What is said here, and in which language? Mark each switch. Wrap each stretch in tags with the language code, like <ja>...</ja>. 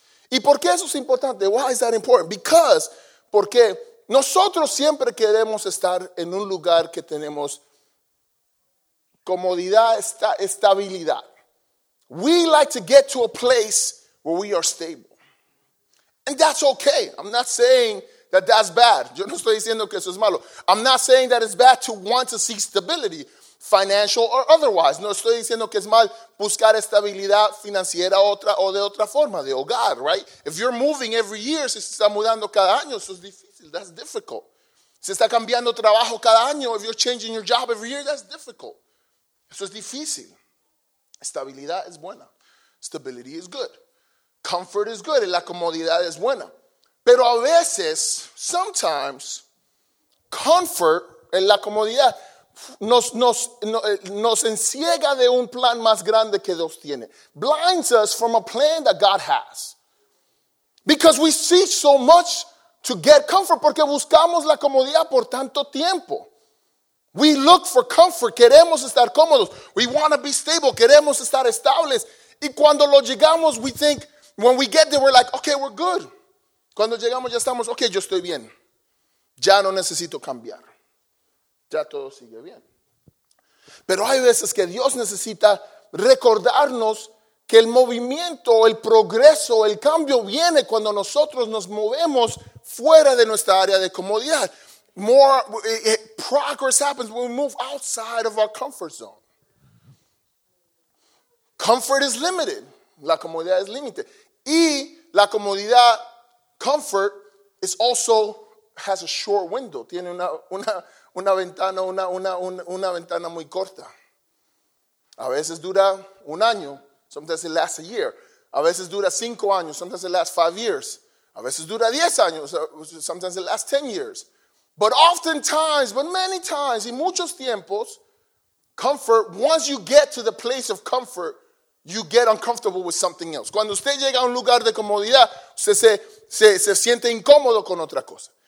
<es>¿Y por qué eso es importante?</es> <en>Why is that important? Because,</en> <es>porque nosotros siempre queremos estar en un lugar que tenemos comodidad, estabilidad.</es> <en>We like to get to a place where we are stable. And that's okay. I'm not saying that that's bad.</en> <es>Yo no estoy diciendo que eso es malo.</es> <en>I'm not saying that it's bad to want to seek stability, financial or otherwise.</en> <es>No estoy diciendo que es mal buscar estabilidad financiera otra o de otra forma, de hogar, right?</es> <en>If you're moving every year,</en> <es>si se está mudando cada año, eso es difícil,</es> <en>that's difficult.</en> <es>Si está cambiando trabajo cada año,</es> <en>if you're changing your job every year, that's difficult.</en> <es>Eso es difícil. Estabilidad es buena.</es> <en>Stability is good. Comfort is good.</en> <es>La comodidad es buena. Pero a veces, sometimes, comfort, la comodidad, nos enciega de un plan más grande que Dios tiene.</es> <en>Blinds us from a plan that God has. Because we seek so much to get comfort.</en> <es>Porque buscamos la comodidad por tanto tiempo.</es> <en>We look for comfort.</en> <es>Queremos estar cómodos.</es> <en>We want to be stable.</en> <es>Queremos estar estables. Y cuando lo llegamos,</es> <en>we think, when we get there, we're like, okay, we're good.</en> <es>Cuando llegamos, ya estamos, okay, yo estoy bien. Ya no necesito cambiar. Ya todo sigue bien. Pero hay veces que Dios necesita recordarnos que el movimiento, el progreso, el cambio viene cuando nosotros nos movemos fuera de nuestra área de comodidad.</es> <en>Progress happens when we move outside of our comfort zone. Comfort is limited.</en> <es>La comodidad es límite. Y la comodidad,</es> <en>comfort, is also has a short window.</en> <es>Tiene una ventana muy corta. A veces dura un año.</es> <en>Sometimes it lasts a year.</en> <es>A veces dura 5 años.</es> <en>Sometimes it lasts 5 years.</en> <es>A veces dura 10 años.</es> <en>Sometimes it lasts 10 years. But oftentimes, but many times,</en> <es>y muchos tiempos,</es> <en>comfort, once you get to the place of comfort, you get uncomfortable with something else.</en> <es>Cuando usted llega a un lugar de comodidad, se siente incómodo con otra cosa.</es>